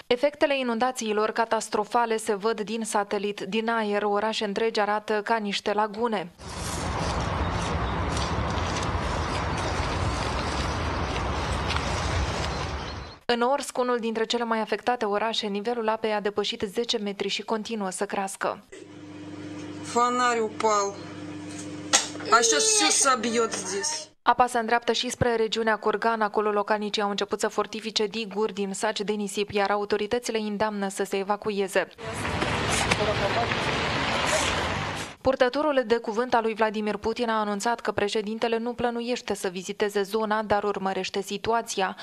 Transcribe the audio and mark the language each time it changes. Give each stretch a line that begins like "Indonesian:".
Romanian: Efectele inundațiilor catastrofale se văd din satelit, din aer, orașe întregi arată ca niște lagune. În Orsk, unul dintre cele mai afectate orașe, nivelul apei a depășit 10 metri și continuă să crească.
Russian: Фонарь упал. А сейчас все собьет здесь.
Romanian: Apa se îndreaptă și spre regiunea Kurgan, acolo localnicii au început să fortifice diguri din saci de nisip, iar autoritățile îndeamnă să se evacueze. Purtătorul de cuvânt al lui Vladimir Putin a anunțat că președintele nu plănuiește să viziteze zona, dar urmărește situația.